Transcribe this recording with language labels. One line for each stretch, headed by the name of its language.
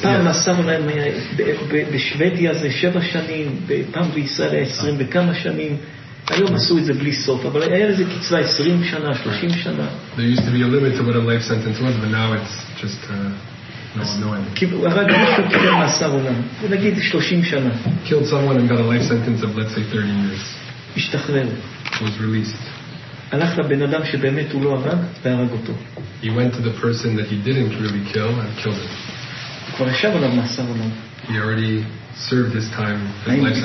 Hebrew: Pam Masav Olam בשוודיה זה 7 שנים, פעם בישראל 20 וכמה שנים, היום עשו את זה בלי סוף, אבל היה לזה קצבה 20 שנה, 30 שנה.
English: There used to be a limit to what a life sentence was, but now it's just no end.
Hebrew: הרג מישהו קיבל מאסר עולם, נגיד 30 שנה.
English: Killed someone and got a life sentence of, let's say, 30 years.
Hebrew: השתחרר.
English: Was released.
Hebrew: הלך לבן אדם שבאמת הוא לא הרג, והרג אותו.
English: He went to the person that he didn't really kill and killed him.
Hebrew: כבר ישב עליו מאסר עולם.
English: He already served his time for life sentence.